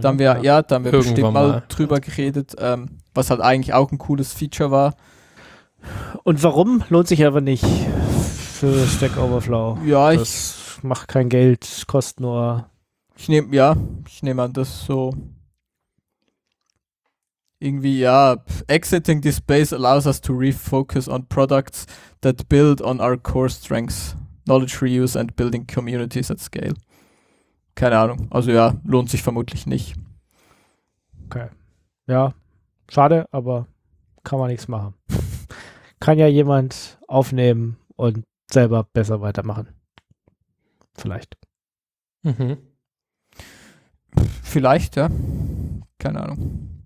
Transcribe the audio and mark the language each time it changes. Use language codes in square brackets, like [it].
[de] Dann wir, ja, da haben wir irgendwann bestimmt mal drüber geredet, was halt eigentlich auch ein cooles Feature war. Und warum lohnt sich aber nicht für Stack Overflow? Ja, das ich mach kein Geld, kostet nur. Ich nehme an, das so. Irgendwie, ja, [en] exiting this space allows us to refocus on products that build on our core strengths, knowledge reuse and building communities at scale. [de] Keine Ahnung. Also ja, lohnt sich vermutlich nicht. Okay. Ja, schade, aber kann man nichts machen. Kann ja jemand aufnehmen und selber besser weitermachen. Vielleicht. Mhm. Vielleicht, ja. Keine Ahnung.